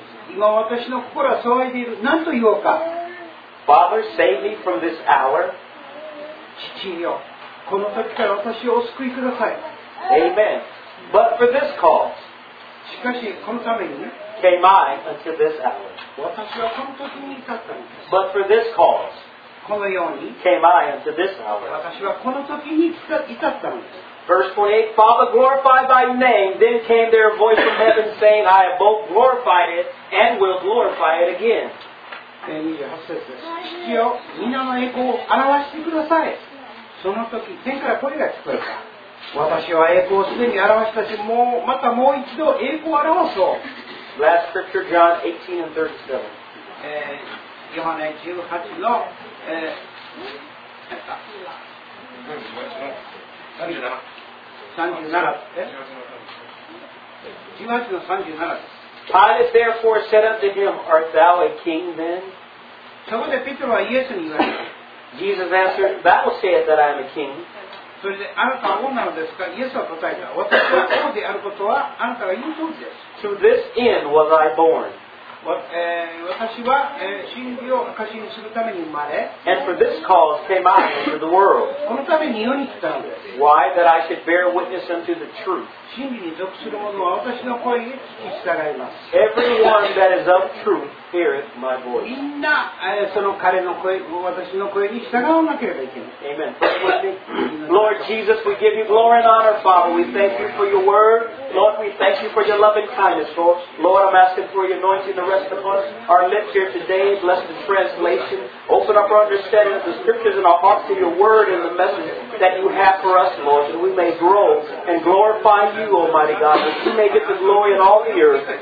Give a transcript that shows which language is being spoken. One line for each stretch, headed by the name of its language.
Japanese: 今私の心は騒いでいる。何と言おうか。
English: Father, save me from this hour.
Japanese: 父よ、この時から私をお救いください。
English: Amen. But for this cause,
Japanese: しかしこのためにね、
English: came I unto this hour.
Japanese: 私はこの時に至ったんです。
English: But for this cause,
Japanese: このように、
English: came I unto this hour.
Japanese: 私はこの時に至ったんです。
English: Verse 28, Father, glorify thy name. Then came there a voice from heaven saying, I have both glorified it and will glorify it again.
Japanese: 28節です。父よ、皆の栄光を表してください。その時、天から声が聞こえた。私は栄光をすでに表したし、もうまたもう一度栄光を表そう。
English: Last scripture, John 18:37.
Japanese: ヨハネ18の、37です。
English: Pilate therefore said unto him, Art thou a king then?
Japanese: そこでピトロはイエスに言われた。
English: Jesus answered, Thou sayest that I am a king.
Japanese: それであなたは王なのですか?イエスは答えた。私は王であることはあなたが言う通りです。
English: To this end was I born.
Japanese: 私は真理を証にするために生まれ。
English: And for this cause came I into the world.
Japanese: このために世に来たのです。
English: Why that I should bear witness unto the truth.
Japanese: 真理に属する者は私の声に聞き従います。
English: Everyone that is of truth heareth my voice.
Japanese: みんなその彼の声、私の声に従わなければいけない。
English: Amen. Lord Jesus, we give you glory and honor, Father. We thank you for your word. Lord, we thank you for your loving kindness, Lord. Lord, I'm asking for your anointing to rest upon us. Our lips here today, bless the translation. Open up our understanding of the scriptures and our hearts to your word and the message that you have for us, Lord, that we may grow and glorify you, Almighty God, that you may get the glory in all the earth.